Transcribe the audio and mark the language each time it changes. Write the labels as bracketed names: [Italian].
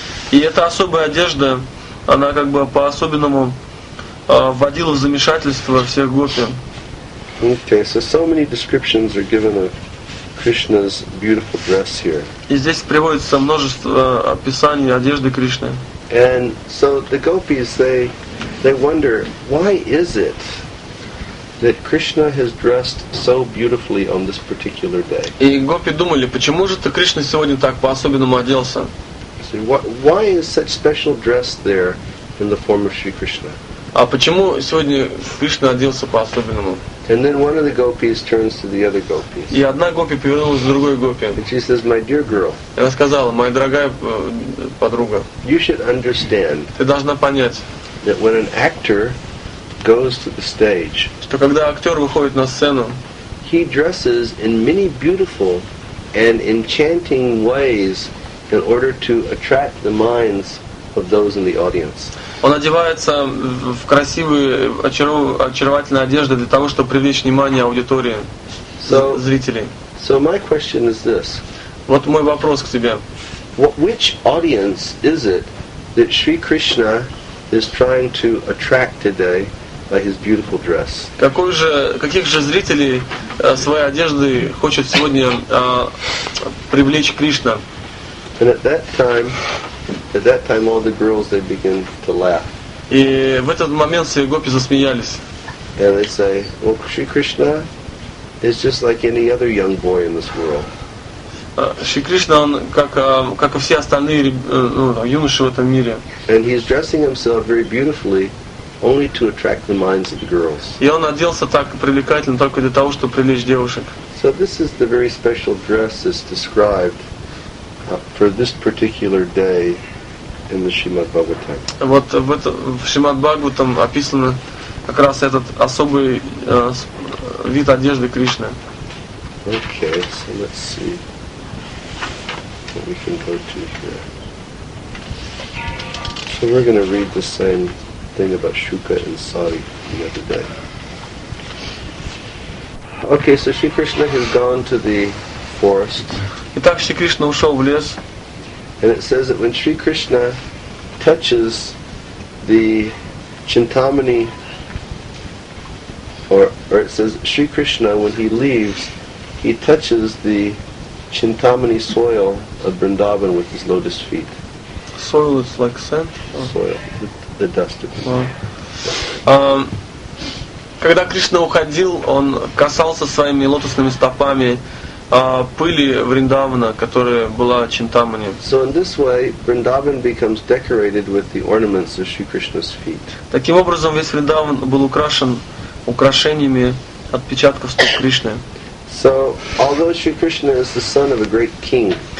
[Russian] И эта особая одежда, она как бы по-особенному вводил в замешательство всех гопи. [English] Okay, so many descriptions are given of Krishna's beautiful dress here. [Russian] И здесь приводится множество описаний одежды Кришны. [English] And so the gopis they wonder why is it that Krishna has dressed so beautifully on this particular day. [Russian] И гопи думали, почему же Кришна сегодня так по-особенному оделся? [English] So why is such special dress there in the form of Sri Krishna? [Russian] А почему сегодня Кришна оделся по-особенному? [English] And then one of the gopis turns to the other gopis. [Russian] И одна гопи повернулась к другой гопи. [English] And she says, "My dear girl." [Russian] И она сказала, моя дорогая подруга. [English] You should understand. [Russian] Ты должна понять. [English] That when an actor goes to the stage. [Russian] Что когда актер выходит на сцену. [English] He dresses in many beautiful and enchanting ways in order to attract the minds of those in the audience. [Russian] Он одевается в красивые, очаровательные одежды для того, чтобы привлечь внимание аудитории, зрителей. [English] So my question is this. [Russian] Вот мой вопрос к тебе. [English] Which audience is it that Sri Krishna is trying to attract today by his beautiful dress? [Russian] Каких же зрителей своей одеждой хочет сегодня привлечь Кришна? [English] And at that time all the girls they begin to laugh. [Russian] И в этот момент все гопи засмеялись. [English] And they say, "Well, Sri Krishna is just like any other young boy in this world." [Russian] Шри Кришна, он как и все остальные юноши в этом мире. [English] And he's dressing himself very beautifully, only to attract the minds of the girls. [Russian] И он оделся так привлекательно только для того, чтобы привлечь девушек. [English] So this is the very special dress that's described. For this particular day in the Shrimad Bhagavatam. [Russian] Вот в Шримад Бхагаватам описано как раз этот особый вид одежды Кришны. [English] Okay, so let's see what we can go to here. So we're going to read the same thing about Shuka and Sari the other day. Okay, so Sri Krishna has gone to the forest. [Russian] Итак, Шри Кришна ушел в лес. [English] And it says that when Sri Krishna touches the Chintamani, or it says Sri Krishna when he leaves, he touches the Chintamani soil of Vrindavan with his lotus feet. Soil is like sand. Soil, the dust of it. [Russian] Когда Кришна уходил, он касался своими лотосными стопами. Пыли Вриндавана, которая была Чинтамани. [English] So in this way, Vrindavan becomes decorated with the ornaments of Sri Krishna's feet. [Russian] Таким образом, весь Вриндаван был украшен украшениями отпечатков стоп Кришны. [English] So, although Sri Krishna is the son of a great king.